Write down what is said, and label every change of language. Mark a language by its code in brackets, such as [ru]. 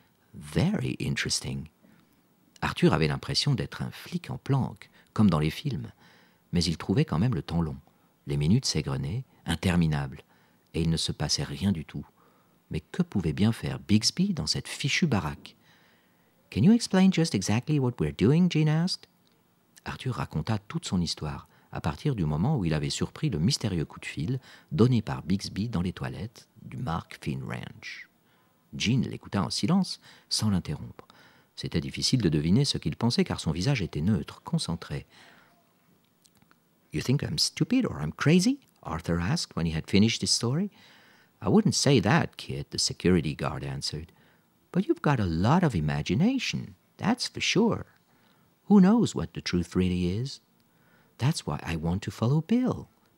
[en] « Very interesting. » [fr] Arthur avait l'impression d'être un flic en planque, comme dans les films, mais il trouvait quand même le temps long. Les minutes s'égrenaient, interminables, et il ne se passait rien du tout. Mais que pouvait bien faire Bixby dans cette fichue baraque? [en] Can you explain just exactly what we're doing? Jean asked. [fr] Arthur raconta toute son histoire, à partir du moment où il avait surpris le mystérieux coup de fil donné par Bixby dans les toilettes du Mark Finn Ranch. Jean l'écouta en silence, sans l'interrompre. C'était difficile de deviner ce qu'il pensait, car son visage était neutre, concentré. [en] You think I'm stupid or I'm crazy? Arthur asked when he had finished his story. I wouldn't say that, kid, the security guard answered. But you've got a lot of imagination, that's for sure. Who knows what the truth really is? That's why I want to follow Bill.